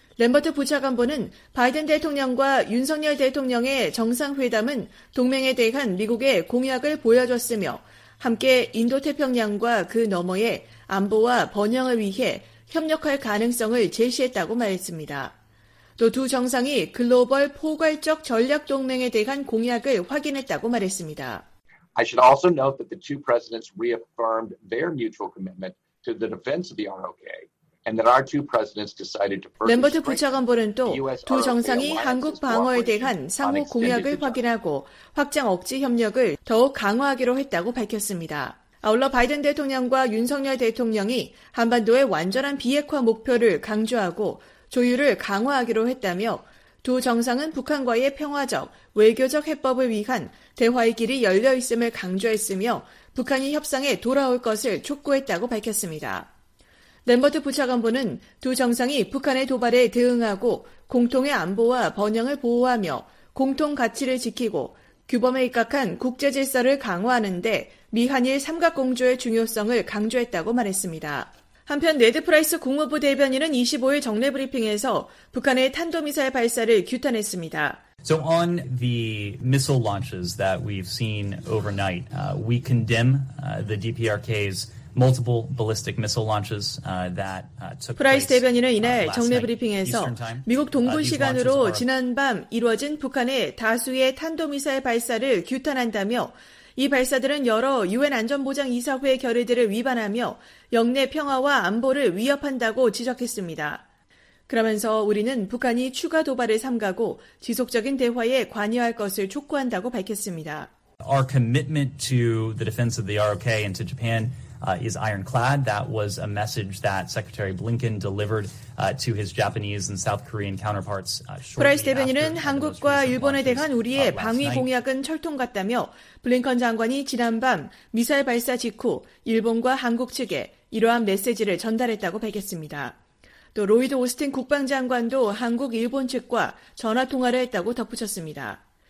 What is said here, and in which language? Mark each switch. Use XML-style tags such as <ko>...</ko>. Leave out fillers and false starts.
<ko>램버트 부차관보는 바이든 대통령과 윤석열 대통령의 정상회담은 동맹에 대한 미국의 공약을 보여줬으며 함께 인도태평양과 그 너머의 안보와 번영을 위해 협력할 가능성을 제시했다고 말했습니다. 또 두 정상이 글로벌 포괄적 전략 동맹에 대한 공약을 확인했다고 말했습니다.</ko> <en>I should also note that the two presidents reaffirmed their mutual commitment to the defense of the ROK.</en> <ko>램버트 부차관보는 또 두 정상이 한국 방어에 대한 상호 공약을 확인하고 확장 억지 협력을 더욱 강화하기로 했다고 밝혔습니다. 아울러 바이든 대통령과 윤석열 대통령이 한반도의 완전한 비핵화 목표를 강조하고 조율을 강화하기로 했다며 두 정상은 북한과의 평화적, 외교적 해법을 위한 대화의 길이 열려 있음을 강조했으며 북한이 협상에 돌아올 것을 촉구했다고 밝혔습니다. 램버트 부차관보는 두 정상이 북한의 도발에 대응하고 공통의 안보와 번영을 보호하며 공통 가치를 지키고 규범에 입각한 국제 질서를 강화하는 데 미한일 삼각공조의 중요성을 강조했다고 말했습니다. 한편 네드 프라이스 국무부 대변인은 25일 정례 브리핑에서 북한의 탄도미사일 발사를 규탄했습니다.</ko> <en>So on the missile launches that we've seen overnight, we condemn the DPRK's multiple ballistic missile launches that took place.</en> <ko>프라이스 대변인은 이날 정례 브리핑에서 미국 동부 시간으로 지난밤 이루어진 북한의 다수의 탄도미사일 발사를 규탄한다며 이 발사들은 여러 유엔 안전보장 이사회 결의들을 위반하며 영내 평화와 안보를 위협한다고 지적했습니다. 그러면서 우리는 북한이 추가 도발을 삼가고 지속적인 대화에 관여할 것을 촉구한다고 밝혔습니다.</ko> <en>Our commitment to the defense of the ROK and to Japan is ironclad. That was a message that Secretary Blinken delivered to his Japanese and South Korean counterparts shortly after.</en> <ko>프라이스 대변인은 한국과 일본에 대한 우리의 방위 공약은 철통 같다며 블링컨 장관이 지난밤 미사일 발사 직후 일본과 한국 측에 이러한 메시지를 전달했다고 밝혔습니다. 또 로이드 오스틴 국방장관도 한국, 일본 측과 전화 통화를 했다고 덧붙였습니다.</ko>